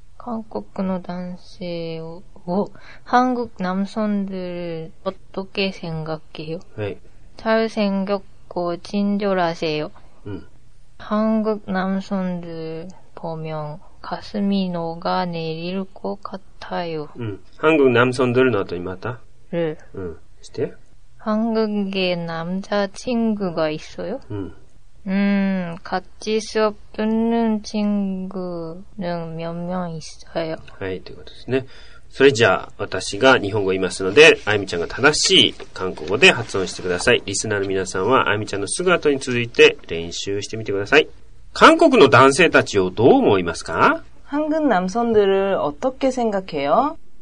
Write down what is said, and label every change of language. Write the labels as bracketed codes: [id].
[ja] 韓国の男性を、 [ko] 한국남성들어떻게생각해요？ [ja] はい。 [ko] 잘생겼고、친절하세요。 한국 남성들 보면 가슴이 녹아내릴 것 같아요. 한국 남성들 너도 이마다? 네. 진짜요? 한국에 남자친구가 있어요? 같이 수업 듣는 친구는 몇 명 있어요? [ja] 네, ということですね。それじゃあ私が日本語を言いますので、あゆみちゃんが正しい韓国語で発音してください。リスナーの皆さんはあゆみちゃんのすぐ後に続いて練習してみてください。韓国の男性たちをどう思いますか？ [ko] 한국남성들을어떻게생각해요？